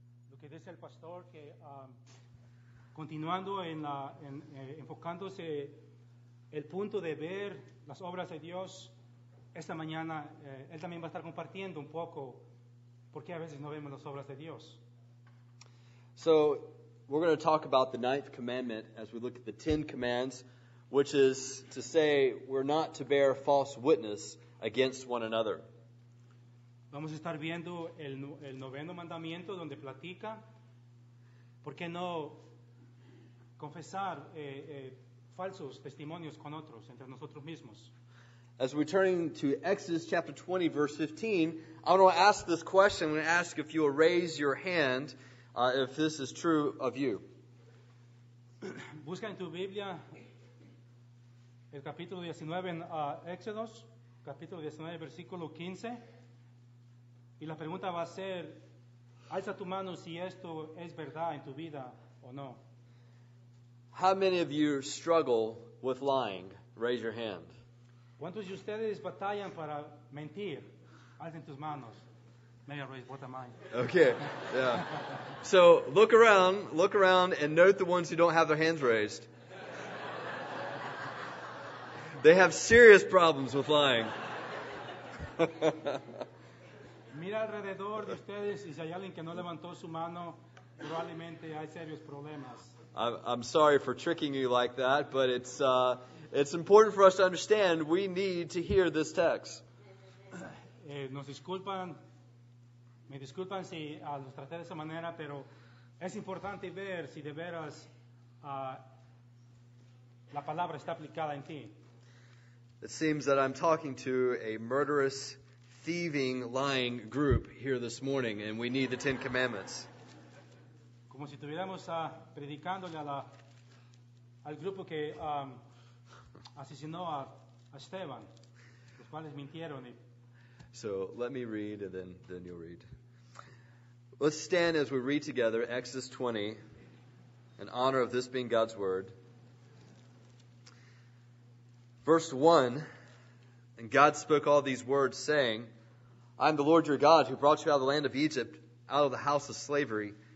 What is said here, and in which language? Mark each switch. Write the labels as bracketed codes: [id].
[es] Lo que dice el pastor que continuando en la enfocándose el punto de ver las obras de Dios esta mañana, él también va a estar compartiendo un poco por qué a veces no vemos las obras de Dios. [en] So we're going to talk about the ninth commandment as we look at the ten commands, which is to say we're not to bear false witness against one another. [es] Vamos a estar viendo el noveno mandamiento donde platica por qué no confesar falsos testimonios con otros entre nosotros mismos. [en] As we're turning to Exodus chapter 20, verse 15, I want to ask this question. I'm going to ask if you will raise your hand if this is true of you. [es] Busca en tu Biblia el capítulo 19 en Exodus, capítulo 19, versículo 15. Y la pregunta va a ser, alza tu mano si esto es verdad en tu vida o no. [en] How many of you struggle with lying? Raise your hand. [es] ¿Cuántos de ustedes batallan para mentir? Alcen tus manos. [en] Maybe I'll raise both of mine. Okay, yeah. So look around and note the ones who don't have their hands raised. They have serious problems with lying. [es] Mira alrededor de ustedes y si hay alguien que no levantó su mano, probablemente hay serios problemas. [en] I'm sorry for tricking you like that, but it's important for us to understand we need to hear this text. [es] Nos disculpan, me disculpan si los traté de esa manera, pero es importante ver si de veras la palabra está aplicada en ti. [en] It seems that I'm talking to a murderous, thieving, lying group here this morning, and we need the Ten Commandments. [es] Como si estuviéramos predicándole a al grupo que asesinó a Esteban, los cuales mintieron. [en] So let me read, and then you'll read. Let's stand as we read together Exodus 20, in honor of this being God's word. Verse 1, and God spoke all these words, saying, I am the Lord your God, who brought you out of the land of Egypt, out of the house of slavery.